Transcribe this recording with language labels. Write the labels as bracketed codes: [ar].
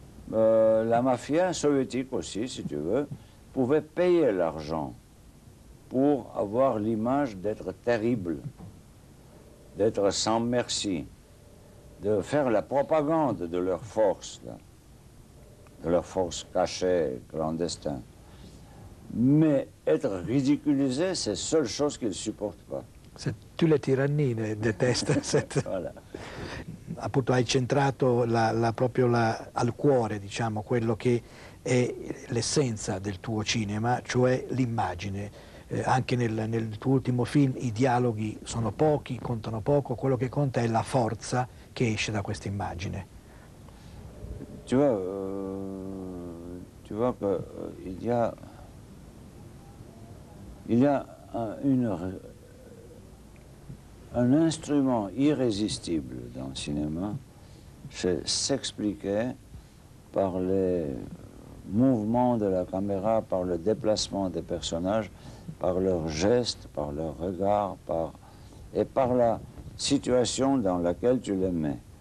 [fr] La mafia soviétique aussi, si tu veux, pouvait payer l'argent pour avoir l'image d'être terrible, d'être sans merci, de faire la propagande de leur force, là, de leur force cachée, clandestine. Mais être ridiculisé, c'est la seule chose qu'ils ne supportent pas. C'est toute la tyrannie déteste cette... Voilà. [it] Appunto, hai centrato al cuore, diciamo, quello che è l'essenza del tuo cinema, cioè l'immagine. Anche nel tuo ultimo film i dialoghi sono pochi, contano poco, quello che conta è la forza che esce da questa immagine. [fr] Tu vois che il y a un instrument irrésistible dans le cinéma, c'est s'expliquer par les mouvements de la caméra, par le déplacement des personnages, par leurs gestes, par leurs regards, par la situation dans laquelle tu les mets.